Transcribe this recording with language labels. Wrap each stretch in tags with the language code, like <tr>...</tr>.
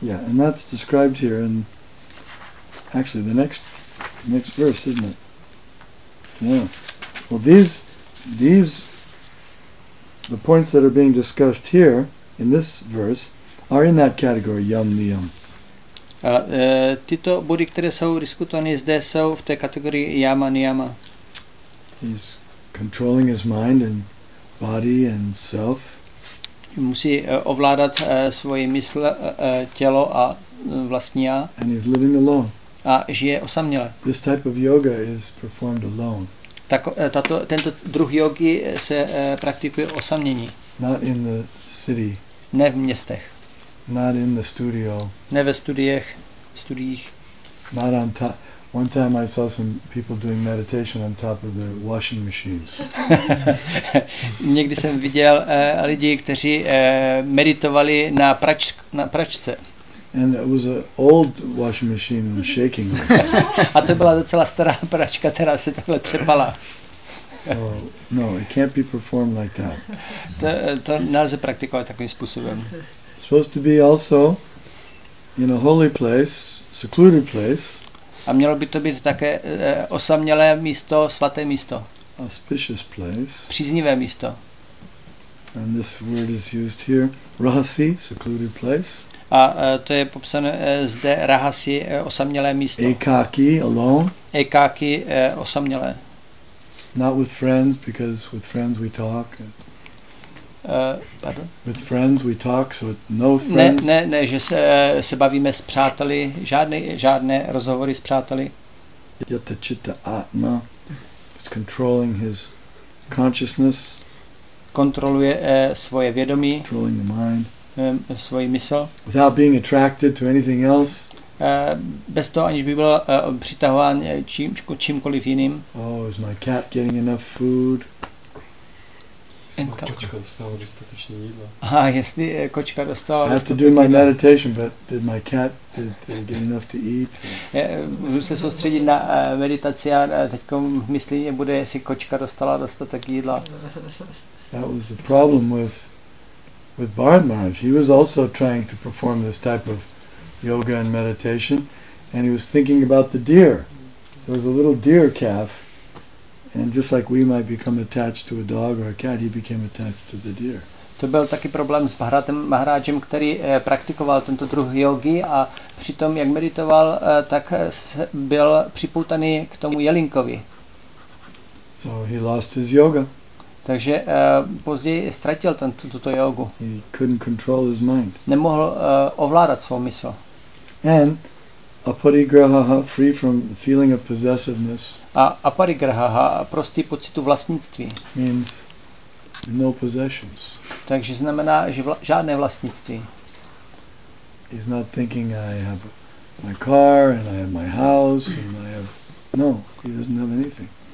<en>Yeah, and that's described here in actually the next verse, isn't it? Yeah. Well, these the points that are being discussed here in this verse are in that category, yam niyam.</en> <cs>Tyto body, které jsou diskutovány zde, jsou v té kategorii yama niyama.</cs> <en>He's controlling his mind and body and self.</en> <cs>Musí ovládat svoji mysl, tělo a vlastní já.</cs> <en>And he's living alone.</en> <cs>A žije osaměle.</cs> <en>This type of yoga is performed alone.</en> <cs>Tento druh jógy se praktikuje osamění.</cs> <en>Not in the city.</en> <cs>Ne v městech.</cs> <en>Not in the studio.</en> <cs>Ne ve studiích.</cs> <en>Not on top. One time I saw some people doing meditation on top of their washing machines.</en> <cs>Někdy jsem viděl lidi, kteří meditovali na pračce.</cs> <en>And it was an old washing machine and shaking.</en> <cs>A to byla docela stará pračka, která se takhle třepala.</cs> <en>So, no, it can't be performed like that.</en> <cs>To nelze praktikovat takovým způsobem.</cs> <en>It's supposed to be also in a holy place, secluded place.</en> <cs>A mělo by to být také osamělé místo, svaté místo.</cs> <en>Auspicious place.</en> <cs>Příznivé místo.</cs> <en>And this word is used here, rahasi, secluded place.</en> <cs>A to je popsané zde rahasi, osamělé místo.</cs> <en>Ekaki, alone.</en> <cs>Ekaki, osamělé.</cs> <en>Not with friends, because with friends we talk. Pardon? With friends we talk, so with no friends.</en> <cs>Ne, že se bavíme s přáteli, žádné rozhovory s přáteli.</cs> <en>Yata chitta atma is controlling his consciousness.</en> <cs>Kontroluje svoje vědomí.</cs> <en>Controlling the mind.</en> <cs>Svoji mysl.</cs> <en>Without being attracted to anything else.</en> <cs>Bez toho, aniž by byl přitahován čímkoliv jiným.</cs> <en>Oh, is my cat getting enough food?</en> <cs>Kočka dostala dostatečné jídlo. Aha, jestli kočka dostala.</cs> <en>I have to do my meditation, but did my cat get enough to eat?</en> <cs>Musím se soustředit na meditaci a teďko myslím, že bude, jestli kočka dostala dostatek jídla.</cs> <en>That was the problem with Bharat Maharaj. He was also trying to perform this type of yoga and meditation, and he was thinking about the deer. There was a little deer calf, and just like we might become attached to a dog or a cat, he became attached to the deer.</en> <cs>To byl taky problém s Bharatem Maharajem, který praktikoval tento druh jogy a přitom, jak meditoval, tak byl připoutaný k tomu jelinkovi.</cs> <en>So he lost his yoga.</en> <cs>Takže později ztratil tuto jógu.</cs> <en>He couldn't control his mind.</en> <cs>Nemohl ovládat svou mysl.</cs> <en>And aparigraha, free from the feeling of possessiveness.</en> <cs>A aparigraha, prostý pocitu vlastnictví.</cs> <en>Means no possessions.</en> <cs>Takže znamená, že žádné vlastnictví.</cs> <en>He's not thinking I have my car and I have my house and I have no, he doesn't have anything.</en>